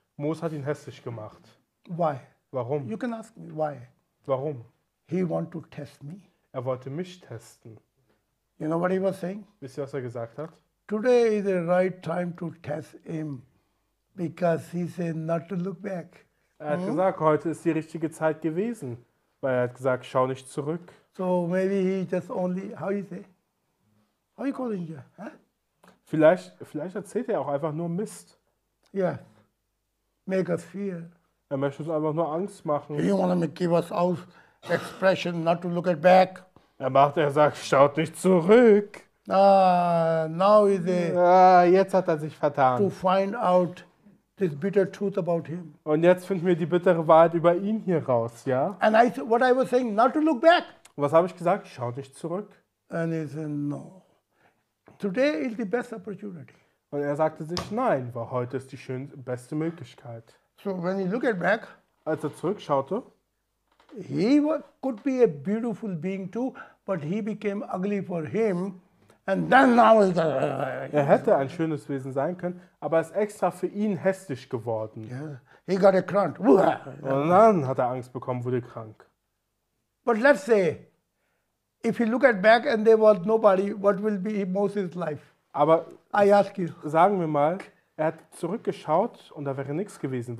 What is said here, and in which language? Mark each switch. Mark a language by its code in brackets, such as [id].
[de] Moses hat ihn hässlich gemacht. [en] Why? [de] Warum? [en] You can ask me why. [de] Warum? [en] He want to test me. [de] Er wollte mich testen. [en] You know what he was saying? [de] Wisst ihr, was er gesagt hat? [en] Today is the right time to test him, because he said not to look back. [de] Er hat gesagt, heute ist die richtige Zeit gewesen, weil er hat gesagt, schau nicht zurück. [en] So maybe he just only, how you say? How you calling you? Huh? [de] Vielleicht erzählt er auch einfach nur Mist. [en] Yes. Make us fear. [de] Er möchte uns einfach nur Angst machen. [en] He wanna give us out expression not to look at back. [de] Er sagt, schaut nicht zurück. [en] Ah, now is the. [de] Ah, jetzt hat er sich vertan. [en] To find out this bitter truth about him. [de] Und jetzt finden wir die bittere Wahrheit über ihn hier raus, ja? [en] And I, what I was saying, not to look back. [de] Was habe ich gesagt? Schaut nicht zurück. [en] And he said, no. Today is the best opportunity. [de] Und er sagte sich, nein, weil heute ist die beste Möglichkeit. [en] So when he looked back. [de] Als er zurückschaute. [en] He could be a beautiful being too, but he became ugly for him. And then now is the. [de] Er hätte ein schönes Wesen sein können, aber es ist extra für ihn hässlich geworden. [en] Yeah. He got a crunt. [de] Und dann hat er Angst bekommen, wurde krank. [en] But let's say, if he looked back and there was nobody, what will be Moses' life? [de] Aber [en] I ask you. [de] Sagen wir mal, er hat zurückgeschaut und da wäre nichts gewesen.